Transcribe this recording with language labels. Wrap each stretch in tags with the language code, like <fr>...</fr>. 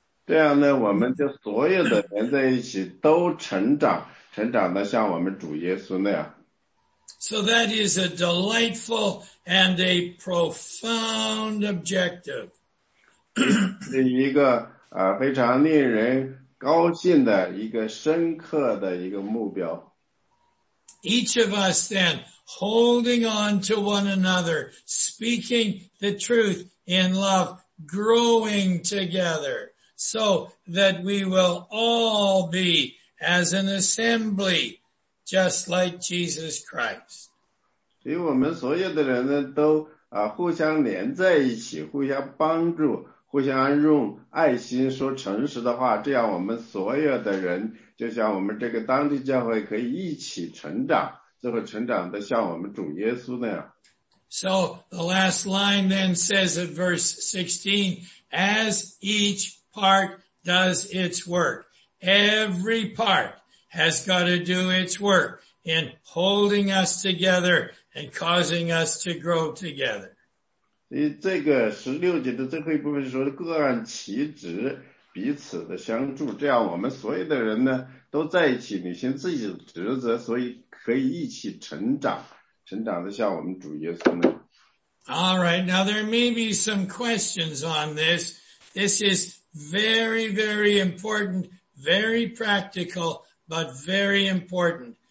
<zh>这样呢，我们就所有的连在一起都成长，成长得像我们主耶稣那样。</zh> <en>So that is a delightful and a profound objective.</en> <zh>是一个非常令人高兴的一个深刻的一个目标。</zh> <en>Each of us then holding on to one another, speaking the truth in love, growing together, so that we will all be as an assembly, just like Jesus Christ.</en> <zh>所以我们所有的人呢都互相连在一起，互相帮助，互相用爱心说诚实的话，这样我们所有的人就像我们这个当地教会可以一起成长，就会成长得像我们主耶稣那样。</zh> <en>So the last line then says at verse 16, as each part does its work, every part has got to do its work in holding us together and causing us to grow together.</en> <zh>这个16节的最后一部分说各按其职彼此的相助，这样我们所有的人呢都在一起履行自己的职责，所以可以一起成长，成长得像我们主耶稣那样。</zh> <en>All right, now there may be some questions on this. This is very, very important, very practical, but very important.</en>